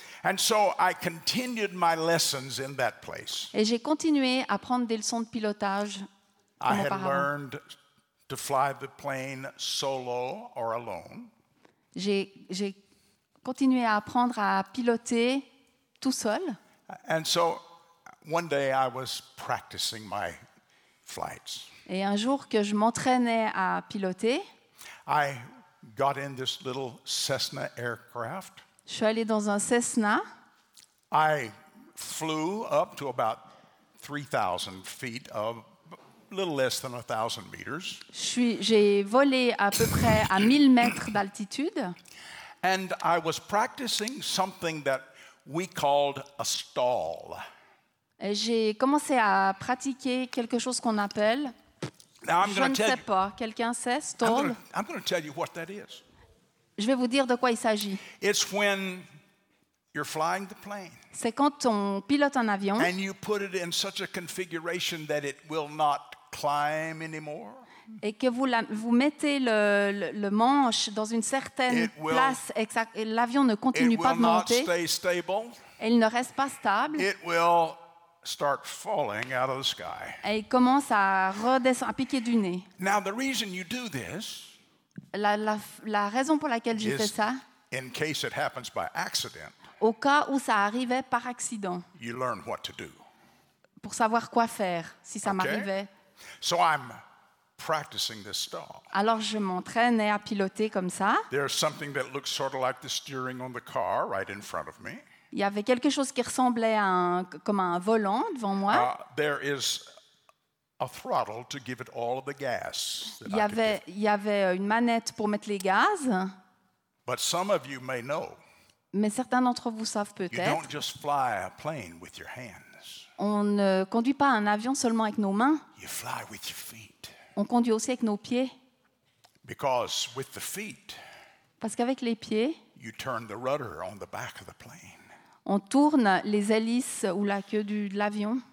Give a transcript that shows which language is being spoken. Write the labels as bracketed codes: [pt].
[en] And so I continued my lessons in that place. [fr] Et j'ai continué à prendre des leçons de pilotage. [en] I had learned to fly the plane solo or alone. [fr] J'ai continué à apprendre à piloter tout seul. [en] And so one day I was practicing my flights. [fr] Et un jour que je m'entraînais à piloter, [en] I got in this little Cessna aircraft. [fr] Je suis allé dans un Cessna. [en] I flew up to about 3,000 feet of a little less than 1,000 meters. [fr] J'ai volé à peu près à 1000 mètres d'altitude. [en] And I was practicing something that we called a stall. [fr] Et j'ai commencé à pratiquer quelque chose qu'on appelle, je ne sais pas, quelqu'un sait, stall. [en] I'm going to tell you what that is. [fr] Je vais vous dire de quoi il s'agit. [en] It's when you're flying the plane. [fr] C'est quand on pilote un avion. [en] And you put it in such a configuration that it will not climb anymore. [fr] Et que vous mettez le manche dans une certaine place et que l'avion ne continue pas de monter. [en] It will not stay stable. [fr] Et il ne reste pas stable. [en] It will start falling out of the sky. [fr] Et il commence à redescendre, à piquer du nez. [en] Now the reason you do this. [fr] La raison pour laquelle j'ai fait ça. [en] In case it happens by accident. [fr] Au cas où ça arrivait par accident. [en] You learn what to do. [fr] Pour savoir quoi faire si ça m'arrivait. [en] So I'm practicing this stall. [fr] Alors je m'entraînais à piloter comme ça. [en] There's something that looks sort of like the steering on the car right in front of me. [fr] Il y avait quelque chose qui ressemblait à un volant devant moi. [en] There is a throttle to give it all of the gas. [fr] Il y avait une manette pour mettre les gaz. [en] But some of you may know. [fr] Mais certains d'entre vous savent peut-être. [en] You don't just fly a plane with your hands. [fr] On ne conduit pas un avion seulement avec nos mains. [en] You fly with your feet. [fr] On conduit aussi avec nos pieds. [en] Because with the feet. [fr] Parce qu'avec les pieds. [en] You turn the rudder on the back of the plane. [fr] On tourne les hélices ou la queue de l'avion.